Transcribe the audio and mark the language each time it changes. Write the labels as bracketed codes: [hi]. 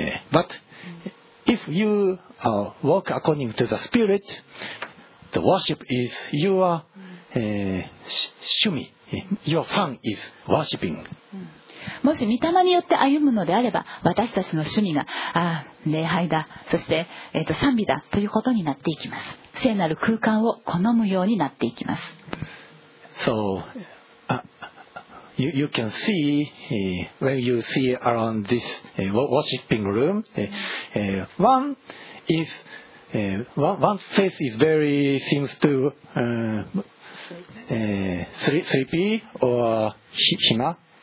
[en] But if you walk according to the spirit, the worship is your 趣味。 Your fun is worshiping. [ja] もし御霊によって歩むのであれば、私たちの趣味が礼拝だ、そして、賛美だということになっていきます。聖なる空間を好むようになっていきます。 [en] So, you can see, when you see around this, worshiping room, one is, one's face is very seems to, sleepy or hima.